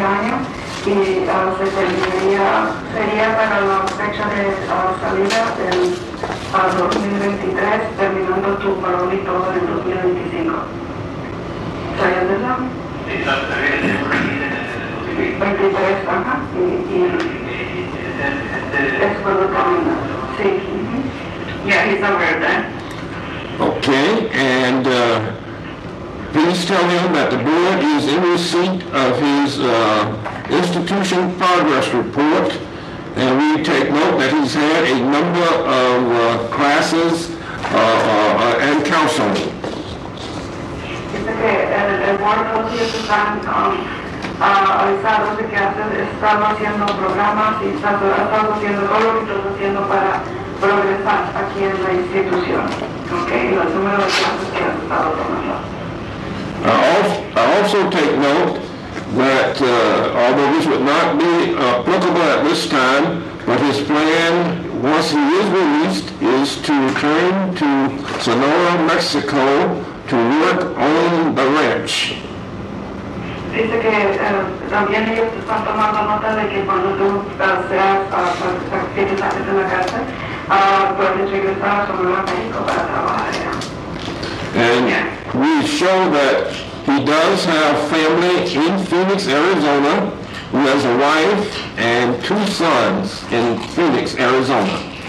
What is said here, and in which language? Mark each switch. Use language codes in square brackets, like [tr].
[en] Okay, and please tell him that the board is in receipt of his institution progress report. And we take note that he's had a number of classes and counseling. [es] de los estudiantes están avisados de que están haciendo programas y están haciendo todo lo que están haciendo para progresar aquí en la institución. Okay, los números de clases que han estado tomando. [en] I also take note that although this would not be applicable at this time, but his plan, once he is released, is to return to Sonora, Mexico, to work on the ranch. [es] Dice que también ellos están tomando nota de que cuando tú seas en la cárcel, puedes regresar a Sonora, México, para trabajar. [en] And we show that he does have family in Phoenix, Arizona. He has a wife and 2 sons in Phoenix, Arizona.